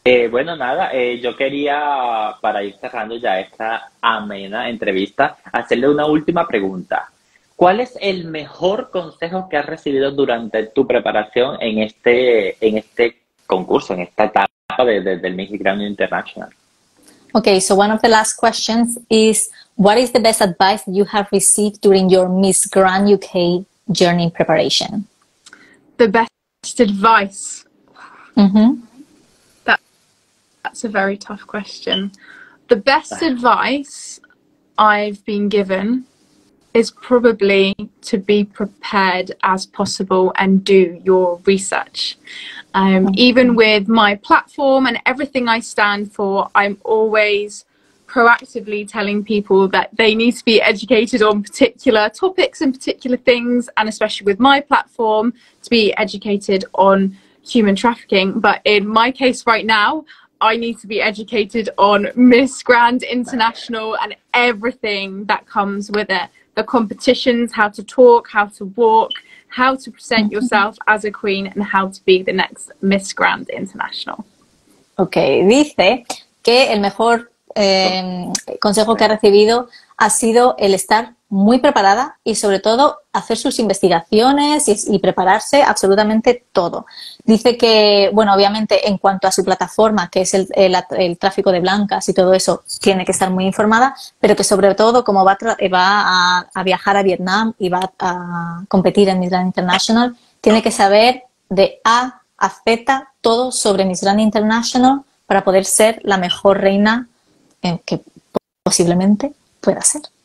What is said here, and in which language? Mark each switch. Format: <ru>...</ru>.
<es>Bueno, nada, yo quería, para ir cerrando ya esta amena entrevista, hacerle una última pregunta. ¿Cuál es el mejor consejo que has recibido durante tu preparación en este concurso, en esta etapa del Miss Grand International?</es> <en>Okay, so one of the last questions is, what is the best advice you have received during your Miss Grand UK journey preparation? The best advice? That's a very tough question. The best advice I've been given is probably to be prepared as possible and do your research. Even with my platform and everything I stand for, I'm always proactively telling people that they need to be educated on particular topics and particular things, and especially with my platform, to be educated on human trafficking. But in my case right now, I need to be educated on Miss Grand International and everything that comes with it. The competitions, how to talk, how to walk, how to present yourself as a queen, and how to be the next Miss Grand International.</en> <es>Okay, dice que el mejor consejo que ha recibido ha sido el estar muy preparada y sobre todo hacer sus investigaciones y prepararse absolutamente todo. Dice que, bueno, obviamente en cuanto a su plataforma, que es el tráfico de blancas y todo eso, tiene que estar muy informada, pero que sobre todo como va a viajar a Vietnam y va a competir en Miss Grand International, tiene que saber de A a Z todo sobre Miss Grand International para poder ser la mejor reina que posiblemente pueda ser.</es>